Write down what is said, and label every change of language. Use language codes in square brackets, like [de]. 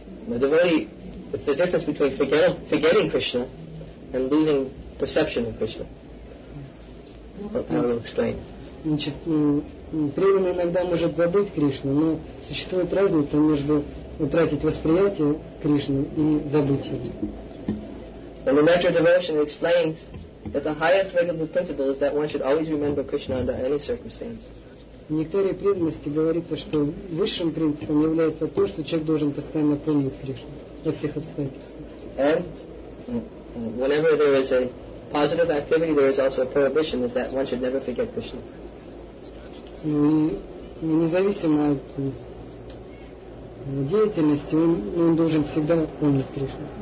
[en] A devotee, it's the difference between forgetting Krishna and losing perception of Krishna. [ru] Значит, преданный иногда может забыть Кришну, но существует разница между утратить восприятие Кришны и забыть его. [en] And the nature of devotion explains that the highest regulative principle is that one should always remember Krishna under any circumstance. [ru] В некоторой преданности говорится, что высшим принципом является то, что человек должен постоянно помнить Кришну во всех обстоятельствах. [en] Whenever there is a positive activity, there is also a prohibition, is that one should never forget Krishna. [ru] И независимо от деятельности, он должен всегда помнить Кришну.